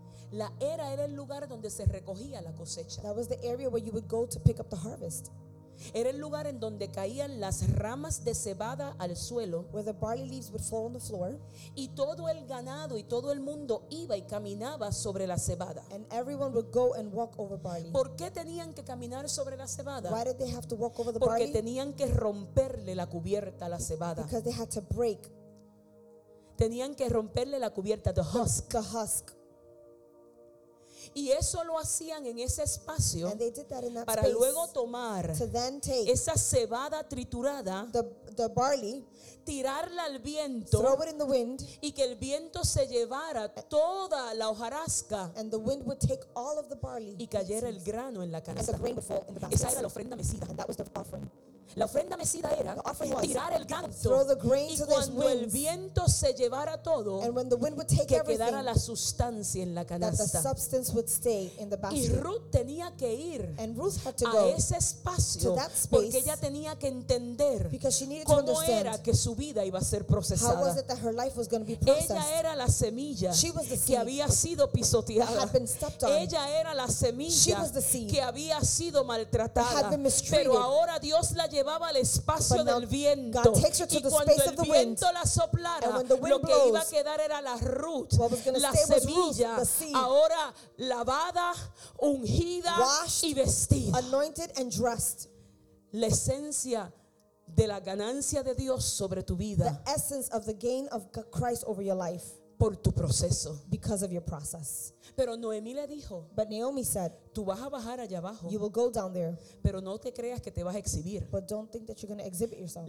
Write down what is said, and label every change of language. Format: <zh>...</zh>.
<es>La era era el lugar donde se recogía la cosecha.</es> <en>That was the area where you would go to pick up the harvest.</en> <es>Era el lugar en donde caían las ramas de cebada al suelo.</es> <en>Where the barley leaves would fall on the floor.</en> <es>Y todo el ganado y todo el mundo iba y caminaba sobre la cebada.</es> <en>And everyone would go and walk over barley.</en> <es>¿Por qué tenían que caminar sobre la cebada?</es> <en>Why did they have to walk over the</en> <es>porque</es> <en>barley?</en> <es>Porque tenían que romperle la cubierta a la cebada.</es> <en>Because they had to break.</en> <es>Tenían que romperle la cubierta,</es> <en>the husk. The husk.</en> <es>Y eso lo hacían en ese espacio para</es> <en>space,</en> <es>luego tomar esa cebada triturada,</es> <en>the barley,</en> <es>tirarla al viento,</es> <en>throw it in the wind,</en> <es>y que el viento se llevara toda la hojarasca</es> <en>and the wind would take all of the barley,</en> <es>y cayera el grano en la canasta.</es> <en>And the grain would fall in the</en> <es>basket. Esa era la ofrenda mecida.</es> <en>And that was the offering.</en> <es>La ofrenda mecida era tirar el ganto,</es> <en>throw the grain</en> <es>y</es> <en>to</en> <es>cuando</es> <en>winds,</en> <es>el viento se llevara todo,</es> <en>and when the wind would take</en> <es>que quedara</es> <en>everything,</en> <es>la sustancia en la canasta.</es> <en>That the substance would stay in the basket.</en> <es>Y Ruth tenía que ir</es> <en>and Ruth had to</en> <es>a</es> <en>go</en> <es>ese espacio</es> <en>to that space,</en> <es>porque ella tenía que entender</es> <en>because she needed</en> <es>cómo</es> <en>to understand</en> <es>era que su vida iba a ser procesada.</es> <en>How was it that her life was going to be processed?</en> <es>Ella era la semilla</es> <en>she was the seed</en> <es>que había sido pisoteada.</es> <en>Had been stepped on.</en> <es>Ella era la semilla</es> <en>she was the seed</en> <es>que había sido maltratada.</es> <en>Had been mistreated.</en> <es>Pero ahora Dios la llevaba al espacio del viento.</es> <en>God takes her to</en> <es>y</es> <en>the space</en> <es>cuando</es> <en>of the</en> <es>el viento</es> <en>wind,</en> <es>la soplara,</es> <en>and when the wind</en> <es>lo que</es> <en>blows,</en> <es>iba a quedar era la root, la semilla,</es> <en>root, the seed,</en> <es>ahora lavada, ungida,</es> <en>washed,</en> <es>y vestida.</es> <en>Anointed and dressed.</en> <es>La esencia de la ganancia de Dios sobre tu vida.</es> <en>The essence of the gain of Christ over your life.</en> <es>Por tu proceso.</es> <en>Because of your process.</en> <es>Pero Noemí le dijo,</es> <en>but Naomi said,</en> <es>tú vas a bajar allá abajo,</es> <en>you will go down there.</en> <es>Pero no te creas que te vas a exhibir.</es> <en>But don't think that you're going to exhibit yourself.</en>